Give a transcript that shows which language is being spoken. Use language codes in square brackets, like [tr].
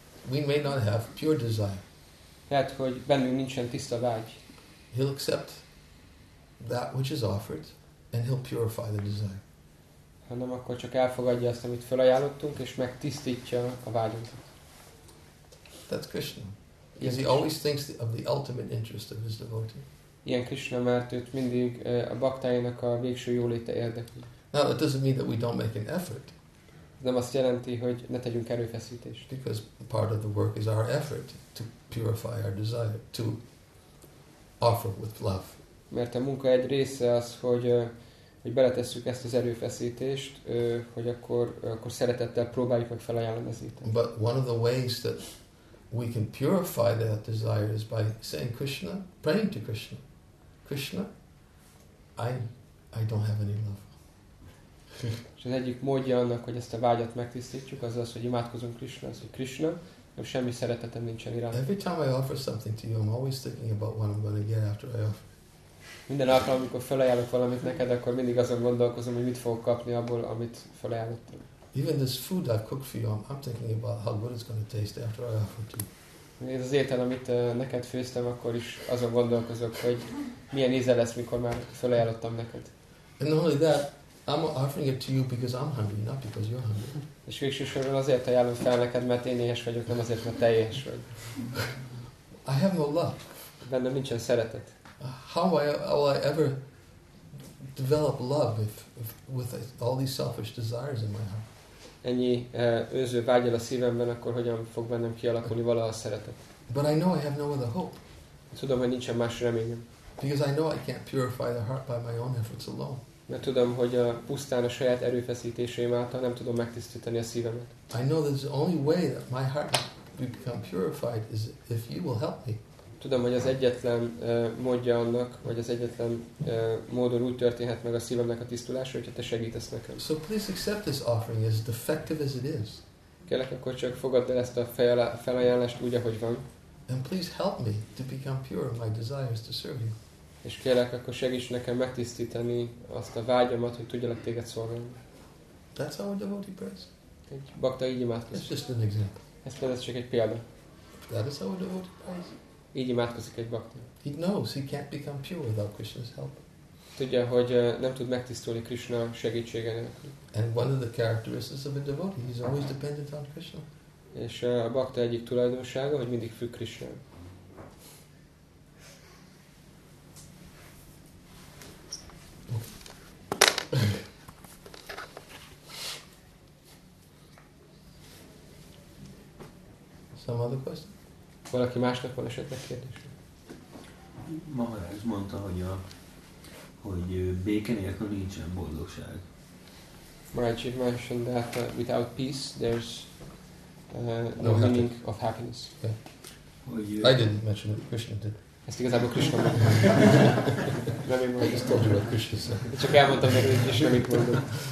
[en] We may not have pure desire. [hu] Lehet, hogy bennünk nincsen tiszta vágy. [en] He'll accept that which is offered, and he'll purify the desire. [hu] Hanem akkor csak elfogadja azt, amit felajánlottunk, és megtisztítja a vágyunkat. [en] That's Krishna. Because he always thinks of the ultimate interest of his devotee. [hu] Ilyen Krishna, mert őt mindig a baktájának a végső jóléte érdekli. [en] Now, it doesn't mean that we don't make an effort. [hu] Nem azt jelenti, hogy ne tegyünk erőfeszítést. [en] Because part of the work is our effort to purify our desire, to offer with love. [hu] Mert a munka egy része az, hogy hogy beletesszük ezt az erőfeszítést, hogy akkor szeretettel próbáljuk meg felajánlomezíteni. [en] But one of the ways that we can purify that desire is by saying Krishna, praying to Krishna. Krishna, I don't have any love. [hu] És az egyik módja annak, hogy ezt a vágyat megtisztítjuk, az az, hogy imádkozunk Krishna, az, hogy Krishna, nem semmi szeretetem nincsen iránt. [en] Every time I offer something to you, I'm always thinking about what I'm going to get after I offer. [hu] Minden alkalom, amikor felajánlok valamit neked, akkor mindig azon gondolkozom, hogy mit fogok kapni abból, amit felajánlottam. [en] Even this food I cook for you, I'm thinking about how good it's going to taste after I offer to you. [hu] Ez az étel, amit neked főztem, akkor is azon gondolkozok, hogy milyen íze lesz, mikor már felajánlottam neked. [en] And not only that, I'm offering it to you because I'm hungry, not because you're hungry. [hu] És végsősorban azért ajánlom fel neked, mert én éhes vagyok, nem azért, mert te éhes vagy. [en] I have no love. [hu] Bennem nincsen szeretet. [en] How will I ever develop love if with all these selfish desires in my heart? [hu] Ennyi önző vágyal a szívemben, akkor hogyan fog bennem kialakulni valaha a szeretet? [en] But I know I have no other hope. [hu] Tudom, hogy nincsen más reményem. [en] Because I know I can't purify the heart by my own efforts alone. [hu] Mert tudom, hogy a pusztán a saját erőfeszítéseim által nem tudom megtisztítani a szívemet. [en] I know that the only way that my heart will become purified is if you will help me. [hu] Tudom, hogy az egyetlen módja annak, vagy az egyetlen módon úgy történhet meg a szívemnek a tisztulása, hogyha te segítesz nekem. [en] So please accept this offering as defective as it is. [hu] Kérlek, akkor csak fogadd el ezt a felajánlást úgy, ahogy van. [en] And please help me to become pure in my desires to serve you. [hu] És kérlek, akkor segíts nekem megtisztítani azt a vágyamat, hogy tudjalak téged szolgálni. [en] That's how a devotee prays. [hu] Egy bakta így imádkozik. [en] It's just an example. [hu] Ez csak egy példa. [en] That is how a devotee prays. [hu] Így imádkozik egy bakta. [en] He knows he can't become pure without Krishna's help. [hu] Tudja, hogy nem tud megtisztulni Krishna segítsége nélkül. [en] And one of the characteristics of a devotee is always dependent on Krishna. [hu] És a bakta egyik tulajdonsága, hogy mindig függ Krishna. [en] Some other question? [hu] Valaki másnak van esetleg kérdés? Maharaj mondta, hogy béke nélkül nincsen boldogság. [en] Maharaj mentioned that without peace there's no meaning happy. Of happiness. Yeah. I didn't mention it, Krishna did. [hu] Ezt igazából Krishna mondta. Nem én mondtam. [en] I just told you about Krishna. [hu] Csak elmondtam meg, hogy Krishna mit mondott.